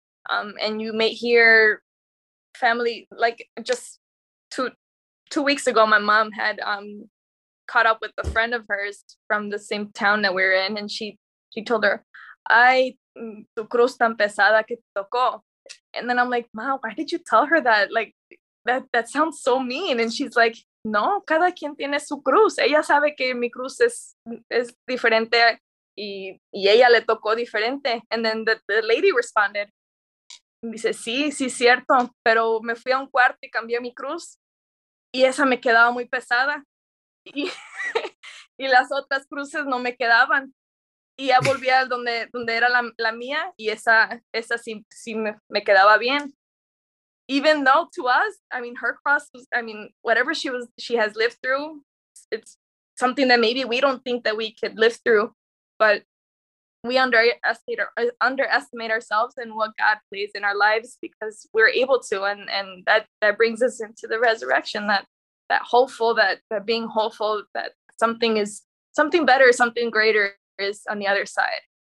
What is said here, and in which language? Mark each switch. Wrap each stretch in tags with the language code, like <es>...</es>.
<en>And you may hear family, like just two weeks ago, my mom had caught up with a friend of hers from the same town that we're in, and she told her,</en> <es>"Ay, tu cruz tan pesada que te tocó."</es> <en>And then I'm like, "Mom, why did you tell her that? Like, that sounds so mean." And she's like,</en> <es>"No, cada quien tiene su cruz. Ella sabe que mi cruz es diferente y ella le tocó diferente."</es> <en>And then the lady responded,</en> <es>me dice, "Sí, sí, cierto, pero me fui a un cuarto y cambié mi cruz y esa me quedaba muy pesada y las otras cruces no me quedaban. Y ya volví a donde era la mía y esa sí me quedaba bien."</es> <en>Even though to us, I mean, her cross was, I mean, whatever she has lived through, it's something that maybe we don't think that we could live through, but we underestimate ourselves and what God plays in our lives because we're able to, and that brings us into the resurrection, that hopeful, that being hopeful that something is, something better, something greater is on the other side.</en>